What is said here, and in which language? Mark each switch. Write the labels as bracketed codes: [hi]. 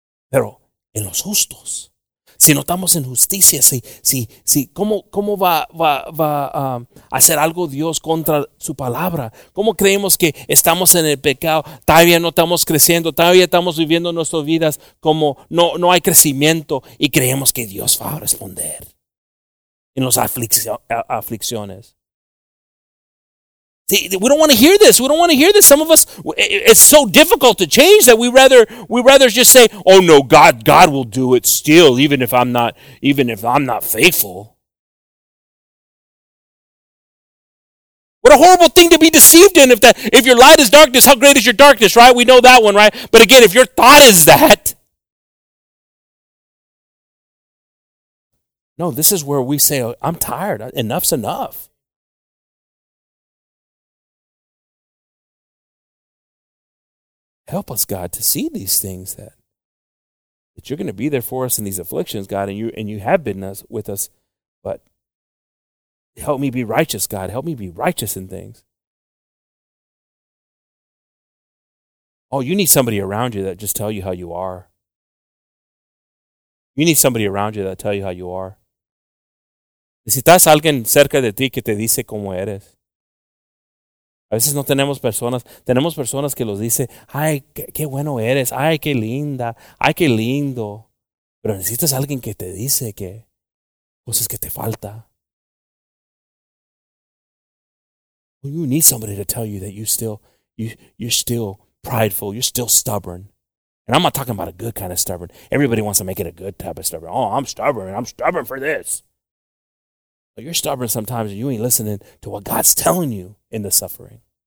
[es] Pero en los justos, si notamos injusticia, si ¿cómo va a hacer algo Dios contra su palabra? ¿Cómo creemos que estamos en el pecado? Todavía no estamos creciendo, todavía estamos viviendo nuestras vidas como no hay crecimiento y creemos que Dios va a responder en las aflicciones. [en] See, we don't want to hear this. We don't want to hear this. Some of us, it's so difficult to change that we rather just say, oh no, God will do it still, even if I'm not faithful. What a horrible thing to be deceived in. If your light is darkness, how great is your darkness, right? We know that one, right? But again, if your thought is that, no, this is where we say, I'm tired. Enough's enough. Help us, God, to see these things that you're going to be there for us in these afflictions, God, and you have been with us, but help me be righteous, God. Help me be righteous in things. Oh, you need somebody around you that just tell you how you are. You need somebody around you that tell you how you are. [es] Necesitas alguien cerca de ti que te dice cómo eres. A veces no tenemos personas. Tenemos personas que los dice, ay, qué bueno eres. Ay, qué linda. Ay, qué lindo. Pero necesitas a alguien que te dice que cosas que te falta. [en] You need somebody to tell you that you're still prideful. You're still stubborn. And I'm not talking about a good kind of stubborn. Everybody wants to make it a good type of stubborn. Oh, I'm stubborn. I'm stubborn for this. But you're stubborn sometimes and you ain't listening to what God's telling you in the suffering.